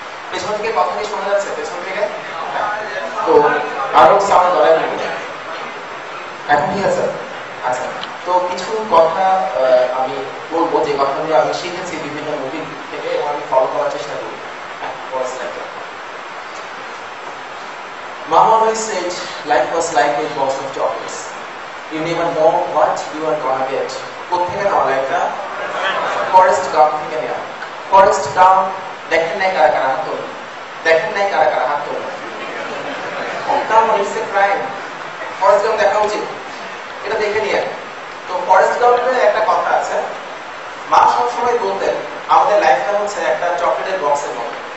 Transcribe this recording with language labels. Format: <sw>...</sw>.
<bn>পেছন থেকে কথা কি শোনা যাচ্ছে পেছন থেকে? তো আরো সামনে দলের নাম এখন ঠিক আছে। আচ্ছা, তো কিছু কথা আমি বলবো যে কথাগুলো আমি শিখেছি বিভিন্ন মুভি থেকে এবং আমি ফলো করার চেষ্টা করি।</bn> <en>Mama always said, life was like a box of chocolates. You never know what you are gonna get.</en> <bn>কোথ থেকে নেওয়া লাইফটা? Forest Gump থেকে নেওয়া। Forest Gump দেখেন নাই কারা কারা হাত তোলে? দেখেন নাই কারা কারা হাত তোলে?</bn> <en>Gump is a crime.</en> <bn>Forest Gump দেখা উচিত, এটা দেখে নিয়ে। তো Forest Gump এর একটা কথা আছে, মা সবসময় বলতেন আমাদের লাইফটা হচ্ছে একটা চকলেটের বক্সের মতো।</bn>